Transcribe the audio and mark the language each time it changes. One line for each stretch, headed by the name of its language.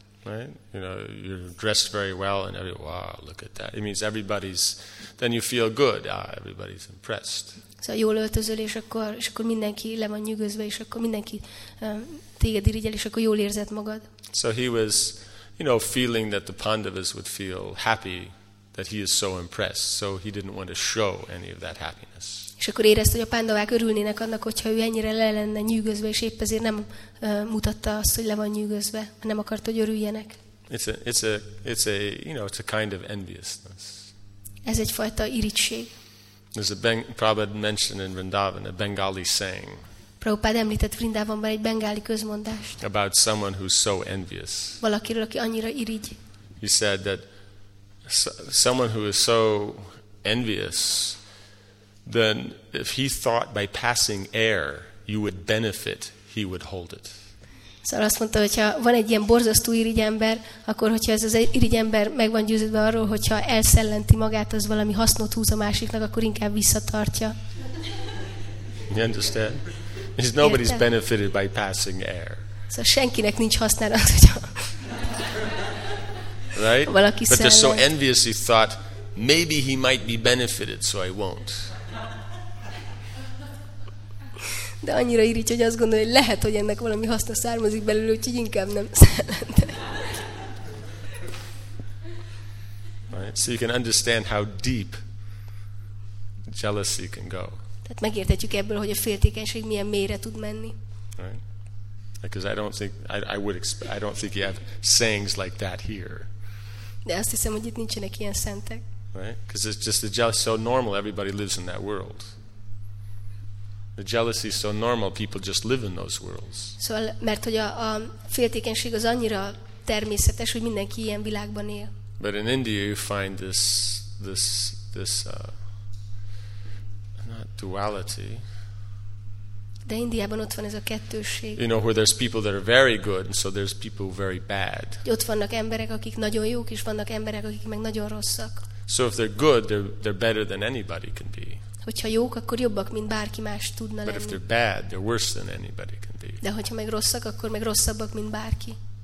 English: Right? You know, you're dressed very well, and wow, look at that. It means everybody's. Then you feel good. Ah, everybody's impressed.
Hungarian: Szóval jól öltözöl, és akkor mindenki le van nyűgözve, és akkor mindenki téged irigyel, és akkor jól érzed magad.
English: So he was, you know, feeling that the Pandavas would feel happy that he is so impressed, so he didn't want to show any of that happiness.
Hungarian: És akkor érezte, hogy a Pandavák örülnének annak, hogyha ő ennyire le lenne nyűgözve, és épp ezért nem mutatta azt, hogy le van nyűgözve, nem akart, hogy örüljenek.
English: It's a kind of enviousness.
Hungarian: Ez egyfajta irigység.
English: There's a Prabhupada mentioned in Vrindavan, a Bengali saying.
Hungarian: Prabhupada említett Vrindavanban egy bengáli közmondást.
English: About someone who's so envious.
Hungarian: Valakiről, aki annyira irigy.
English: He said that someone who is so envious, then if he thought by passing air you would benefit, he would hold it.
Hungarian: Szóval azt mondta, hogyha van egy ilyen borzasztó irigy ember, akkor hogyha ez az irigy ember meg van győződve arról, hogyha elszellenti magát, az valami hasznot húz a másiknak, akkor inkább visszatartja.
English: You understand? Because nobody's
Hungarian: Értem.
English: Benefited by passing air.
Hungarian: Szóval senkinek nincs hasznára az, hogyha
English: right?
Hungarian: Valaki
English: But they're so envious, he thought, maybe he might be benefited, so I won't.
Hungarian: De annyira irigy, hogy azt gondolja, hogy lehet, hogy ennek valami haszna származik belőle, úgyhogy inkább nem szellentek.
English: Right? So you can understand how deep jealousy can go.
Hungarian: Tehát megértetjük ebből, hogy a féltékenység milyen mélyre tud menni.
English: Right. Because I don't think I don't think you have sayings like that here.
Hungarian: De azt hiszem, hogy itt nincsenek ilyen szentek.
English: Right? Because it's just the jealousy so normal. Everybody lives in that world. The jealousy is so normal. People just live in those worlds.
Hungarian: Szóval, mert hogy a féltékenység az annyira természetes, hogy mindenki ilyen világban él.
English: But in India you find this not duality.
Hungarian: De Indiában ott van ez a kettőség.
English: You know, where there's people that are very good, and so there's people who are very bad.
Hungarian: Ott vannak emberek, akik nagyon jók, és vannak emberek, akik meg nagyon rosszak.
English: So if they're good, they're better than anybody can be.
Hungarian: Hogyha jók, akkor jobbak, mint bárki más tudna lenni.
English: But if they're bad, they're worse than anybody can be.
Hungarian: De hogyha meg rosszak, akkor meg rosszabbak, mint bárki.